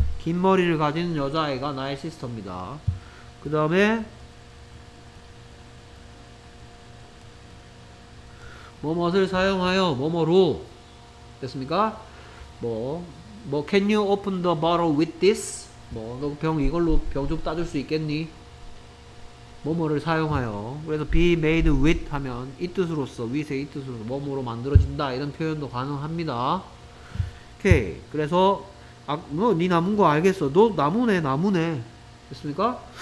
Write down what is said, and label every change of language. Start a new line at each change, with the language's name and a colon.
Korean: 긴 머리를 가진 여자아이가 나의 시스터입니다. 그 다음에 뭐뭐를 사용하여 뭐뭐로 됐습니까?
English: 뭐 can you open the bottle with this?
Korean: 뭐 너 병 이걸로 병 좀 따줄 수 있겠니? 뭐뭐를 사용하여. 그래서 be made with 하면 이 뜻으로서 with의 이 뜻으로서 뭐뭐로 만들어진다 이런 표현도 가능합니다. 오케이. 그래서 너 네 나무인 거 알겠어. 너 나무네 됐습니까?